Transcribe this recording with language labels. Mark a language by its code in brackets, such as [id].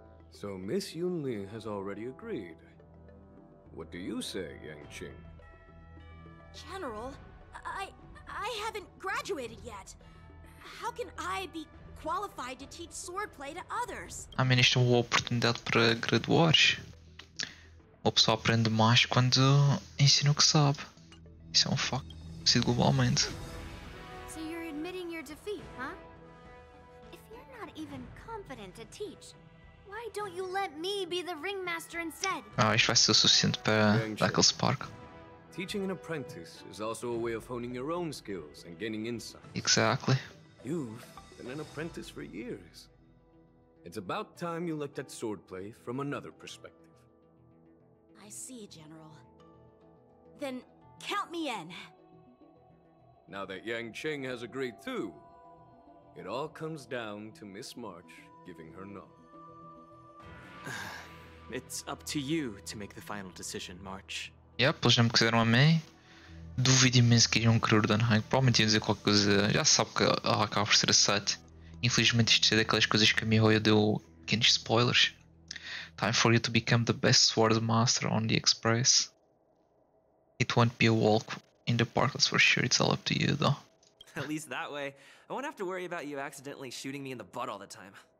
[en] So Miss Yunli has already agreed. What do you say, Yanqing? General, I haven't graduated yet. How can I be qualified to teach swordplay to others? I mean, [pt] isto é uma oportunidade para graduares. O pessoal aprende mais quando ensina o que sabe. Isso é um facto conhecido globalmente. [en] So you're admitting your defeat, huh? If you're not even confident to teach, why don't you let me be the ringmaster instead? [pt] Ah, isto vai ser o suficiente para aquele spark. [en] Teaching an apprentice is also a way of honing your own skills and gaining insight. Exactly. You've been an apprentice for years. It's about time you looked at swordplay from another perspective. I see, General. Then count me in. Now that Yanqing has agreed too, it all comes down to Miss March giving her nod. It's up to you to make the final decision, March. [pt] Yep, eles não me quiseram a mim. Duvido imenso que iriam querer o Dunhang. Provavelmente iam dizer qualquer coisa. Já sabe que ela acaba por ser a 7. Infelizmente isto é daquelas coisas que a Mihoyo deu pequenos spoilers. [en] Time for you to become the best swordmaster on the express. It won't be a walk in the park, that's for sure. It's all up to you though. At least that way. I won't have to worry about you accidentally shooting me in the butt all the time.